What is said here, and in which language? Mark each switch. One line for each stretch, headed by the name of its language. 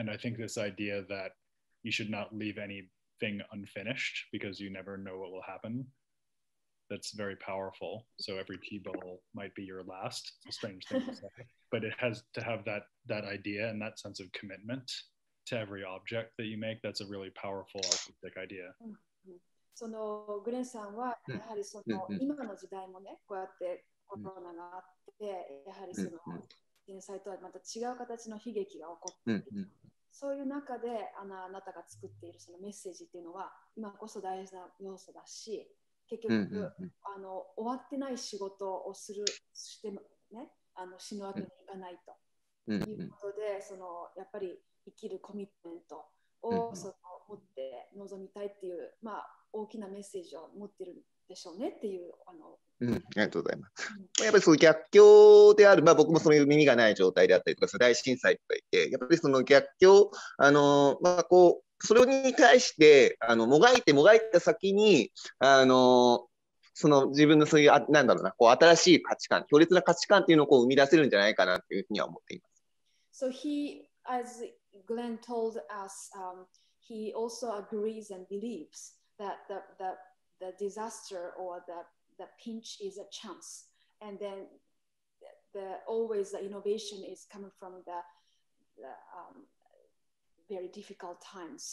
English: And I think this idea that you should not leave anything unfinished because you never know what will happen, that's very powerful. So every tea bowl might be your last, it's a strange thing to say, but it has to have that idea and that sense of commitment to every object that you make. That's a really powerful artistic idea. Mm-hmm.
Japanese: そのグレンさんはやはりその今の時代もねこうやってコロナがあってやはりその天才とはまた違う形の悲劇が起こっているそういう中で あなたが作っているそのメッセージっていうのは今こそ大事な要素だし結局終わってない仕事をするしてもね死ぬわけにいかないということでそのやっぱり生きるコミットメントをその持って臨みたいっていうまあ大きなメッセージを持ってるんでしょうねっていうありがとうございます、やっぱりその逆境である、僕もその耳がない状態であったりとか大震災とか言ってやっぱりその逆境こうそれに対してもがいてもがいた先にその自分のそういう何だろうなこう新しい価値観強烈な価値観っていうのをこう生み出せるんじゃないかなっていうふうには思っています。
English: So he, as Glenn told us, he also agrees and believesthat the disaster or the pinch is a chance. And then always the innovation is coming from the very difficult times.